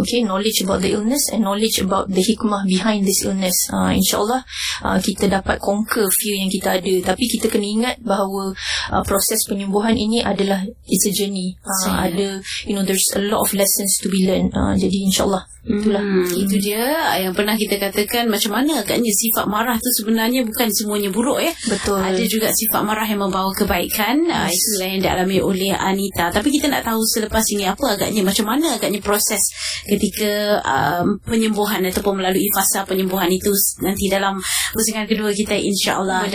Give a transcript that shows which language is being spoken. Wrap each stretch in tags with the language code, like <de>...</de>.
<en>Okay, knowledge about the illness and knowledge about the hikmah behind this illness.</en> <ms>InsyaAllah kita dapat</ms> <en>conquer fear</en> <ms>yang kita ada. Tapi kita kena ingat bahawa proses penyembuhan ini adalah,</ms> <en>it's a journey.</en> <ms>Ada,</ms> <en>you know, there's a lot of lessons to be learned.</en> <ms>Jadi insyaAllah itulah. Itu dia yang pernah kita katakan, macam mana agaknya sifat marah tu sebenarnya bukan semuanya buruk, ya. Betul. Ada juga sifat marah yang membawa kebaikan. Yes. Itulah yang dialami oleh Anita. Tapi kita nak tahu selepas ini apa agaknya, macam mana agaknya proses ketika penyembuhan ataupun melalui fasa penyembuhan itu nanti dalam pusingan kedua kita, insyaAllah.</ms>